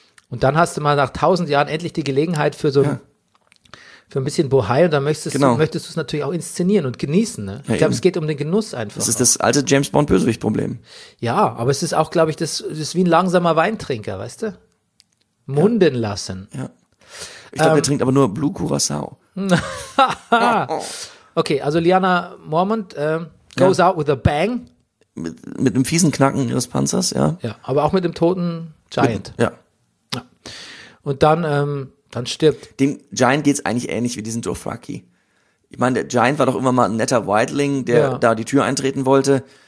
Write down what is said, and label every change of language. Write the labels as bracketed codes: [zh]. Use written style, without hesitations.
[de] Und dann hast du mal nach 1000 Jahren endlich die Gelegenheit für so ein, für ein bisschen Bohai und dann möchtest du es natürlich auch inszenieren und genießen. Ne? Ja, ich glaube, es geht um den Genuss einfach. Das ist das alte James-Bond-Bösewicht-Problem. Ja, aber es ist auch, glaube ich, das ist wie ein langsamer Weintrinker, weißt du? Munden lassen. Ja. Ich glaube, der trinkt aber nur Blue Curaçao. [en] Okay, also Lyanna Mormont goes out with a bang. [de] Mit einem fiesen Knacken ihres Panzers, ja. Ja, aber auch mit dem toten Giant. Ja. Und dann stirbt. Dem Giant geht's eigentlich ähnlich wie diesen Dothraki. Ich meine, der Giant war doch immer mal ein netter Wildling, der da die Tür eintreten wollte.